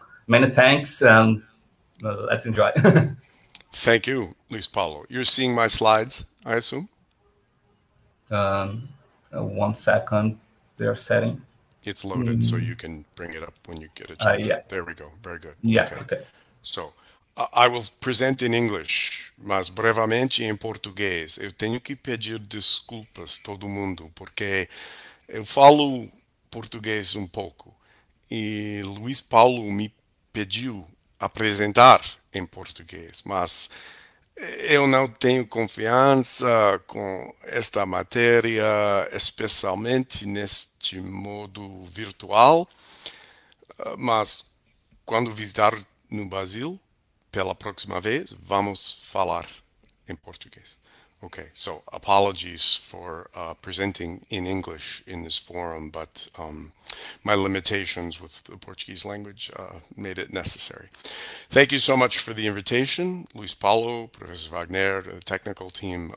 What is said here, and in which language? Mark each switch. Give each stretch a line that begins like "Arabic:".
English: Many thanks, and let's enjoy. Thank you, Luis Paulo. You're seeing my slides, I assume? One second, they're setting. It's loaded, mm-hmm. So you can bring it up when you get a chance. Yeah. There we go. Very good. Yeah, okay. So I will present in English,
Portuguese: mas brevemente em português. Eu tenho que pedir desculpas todo mundo, porque eu falo português pouco. E Luis Paulo me pediu apresentar em português, mas eu não tenho confiança com esta matéria, especialmente neste modo virtual. Mas quando visitar no Brasil, pela próxima vez, vamos falar em português.
English: Okay, so apologies for presenting in English in this forum, but my limitations with the Portuguese language made it necessary. Thank you so much for the invitation, Luis Paulo, Professor Wagner, the technical team.